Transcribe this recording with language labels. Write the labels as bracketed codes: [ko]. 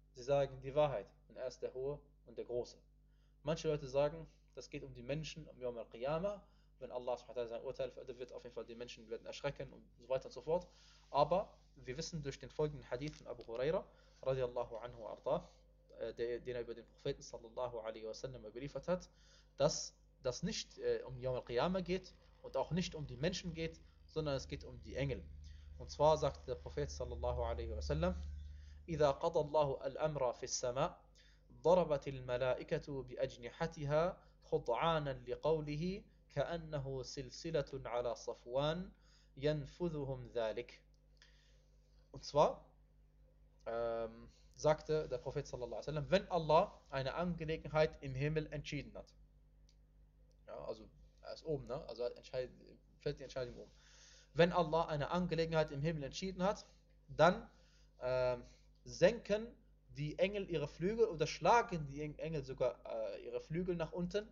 [de] Sie sagen die Wahrheit, und er ist der Hohe und der Große. Manche Leute sagen, das geht um die Menschen, um Yawm al-Qiyamah, wenn Allah sein Urteil wird, auf jeden Fall die Menschen werden erschrecken und so weiter und so fort. Aber wir wissen durch den folgenden Hadith von Abu Huraira, radiallahu anhu arda, den er über den Propheten sallallahu alaihi wasallam überliefert hat, dass das nicht um Yawm al-Qiyamah geht und auch nicht um die Menschen geht, sondern es geht um die Engel. Und zwar sagt der Prophet sallallahu alaihi wasallam, [ar] إذا قضى الله الأمر في السماء ضربت الملائكة بأجنحتها خضعانا لقوله كأنه سلسلة على صفوان ينفذهم ذلك. [de] Und zwar sagte der Prophet [ar] صلى الله عليه وسلم, [de] wenn Allah eine Angelegenheit im Himmel entschieden hat, ja, also er ist oben, ne? Also fällt die Entscheidung um. Wenn Allah eine Angelegenheit im Himmel entschieden hat, dann senken die Engel ihre Flügel oder schlagen die Engel sogar ihre Flügel nach unten.